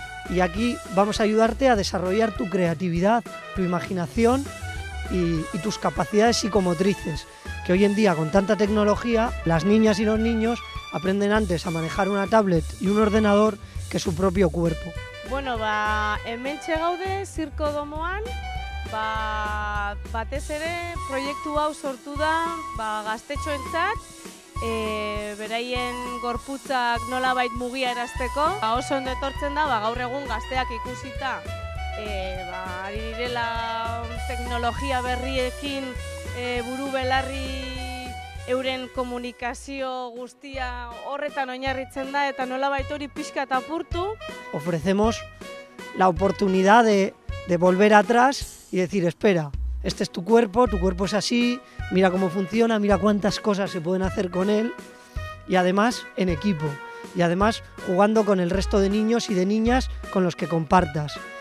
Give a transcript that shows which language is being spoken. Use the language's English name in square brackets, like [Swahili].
[Spanish] Y aquí vamos a ayudarte a desarrollar tu creatividad, tu imaginación y tus capacidades psicomotrices, que hoy en día con tanta tecnología, las niñas y los niños aprenden antes a manejar una tablet y un ordenador que su propio cuerpo. [Basque] Bueno, ba, hemen txegaude, zirko domoan, ba, batez ere proiektu hau sortu da ba, gaztetxoentzat, beraien gorputzak nolabait mugia erazteko. Ba, oso ondo etortzen da, ba, gaur egun gazteak ikusita, ba, ari direla teknologia berriekin buru belarri euren komunikazio guztia horretan oinarritzen da eta nolabait hori pixka eta apurtu. [Spanish] Ofrecemos la oportunidad de volver atrás y decir, espera, este es tu cuerpo es así, mira cómo funciona, mira cuántas cosas se pueden hacer con él y además en equipo y además jugando con el resto de niños y de niñas con los que compartas.